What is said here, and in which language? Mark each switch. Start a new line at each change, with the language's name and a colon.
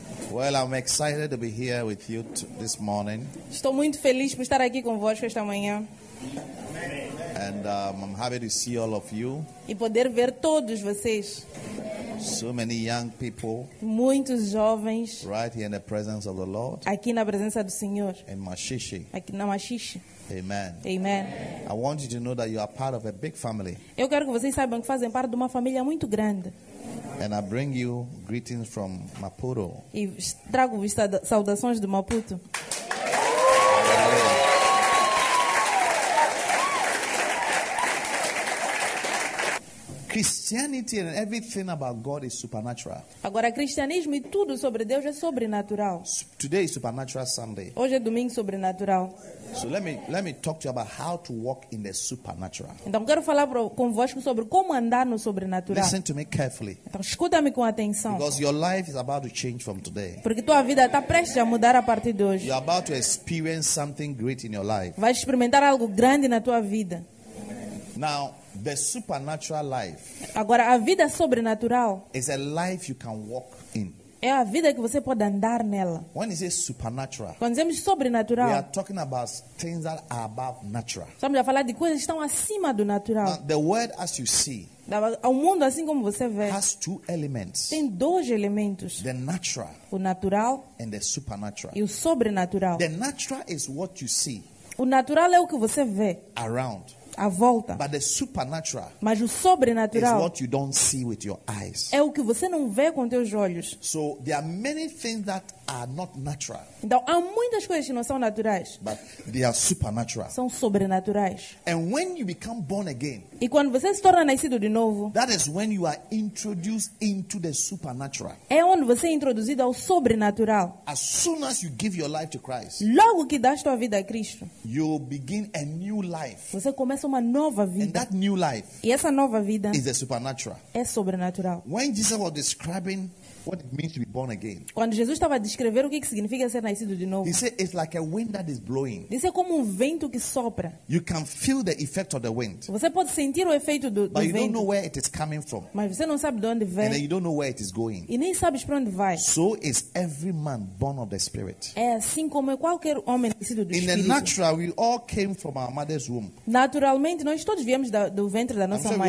English: Well, I'm excited to be here with you this morning.
Portuguese: Estou muito feliz por estar aqui convosco esta manhã.
English: And I'm happy to see all of you.
Portuguese: E poder ver todos vocês.
English: So many young people.
Portuguese: Muitos jovens.
English: Right here in the presence of the Lord.
Portuguese: Aqui na presença do Senhor.
English: In Maxixe.
Portuguese: Aqui na Maxixe.
English: Amen.
Portuguese: Amen.
English: I want you to know that you are part of a big family.
Portuguese: Eu quero que vocês saibam que fazem parte de uma família muito grande.
English: And I bring you greetings from Maputo.
Portuguese: E trago-vos saudações de Maputo.
English: Christianity and everything about God is supernatural.
Portuguese: Agora, cristianismo e tudo sobre Deus é sobrenatural.
English: Today is Supernatural Sunday.
Portuguese: Hoje é domingo sobrenatural.
English: So let me talk to you about how to walk in the supernatural.
Portuguese: Então quero falar convosco sobre como andar no sobrenatural.
English: Listen to me carefully.
Portuguese: Então escuta-me com atenção.
English: Because your life is about to change from today.
Portuguese: Porque tua vida está prestes a mudar a partir de hoje.
English: You are about to experience something great in your life.
Portuguese: Vai experimentar algo grande na tua vida.
English: Now, the supernatural life.
Portuguese: Agora a vida sobrenatural.
English: Is a life you can walk in.
Portuguese: É a vida que você pode andar nela.
English: When is it supernatural?
Portuguese: Quando dizemos sobrenatural.
English: We are talking about things that are above natural.
Portuguese: Estamos a falar de coisas que estão acima do natural.
English: Now, the word as you see.
Portuguese: O mundo assim como você vê.
English: Has two elements.
Portuguese: Tem dois elementos.
English: The natural.
Portuguese: O natural.
English: And the supernatural.
Portuguese: E o sobrenatural.
English: The natural is what you see.
Portuguese: O natural é o que você vê.
English: Around.
Portuguese: A volta.
English: But the supernatural.
Portuguese: Mas o sobrenatural.
English: Is what you don't see with your eyes.
Portuguese: É o que você não vê com teus olhos.
English: So there are many things that are not natural.
Portuguese: Então há muitas coisas que não são naturais.
English: But they are supernatural.
Portuguese: São sobrenaturais.
English: And when you become born again.
Portuguese: E quando você se torna nascido de novo.
English: That is when you are introduced into the supernatural.
Portuguese: É onde você é introduzido ao sobrenatural.
English: As soon as you give your life to Christ.
Portuguese: Logo que dás tua vida a Cristo.
English: You begin a new life.
Portuguese: Você começa uma nova vida.
English: And that new life.
Portuguese: E essa nova vida.
English: Is the supernatural.
Portuguese: É sobrenatural.
English: When Jesus was describing what it means to be born again.
Portuguese: Quando Jesus estava a descrever o que significa ser nascido de novo.
English: He said it's like a wind that is blowing.
Portuguese: Disse é como vento que sopra.
English: You can feel the effect of the wind.
Portuguese: Você pode sentir o efeito do vento.
English: But you don't know where it is coming from.
Portuguese: Mas você não sabe de onde vem.
English: And then you don't know where it is going.
Portuguese: E nem sabes para onde vai.
English: So is every man born of the Spirit.
Portuguese: É assim como qualquer homem nascido do Espírito.
English: In the natural, we all came from our mother's womb.
Portuguese: Naturalmente, nós todos viemos do ventre da nossa mãe.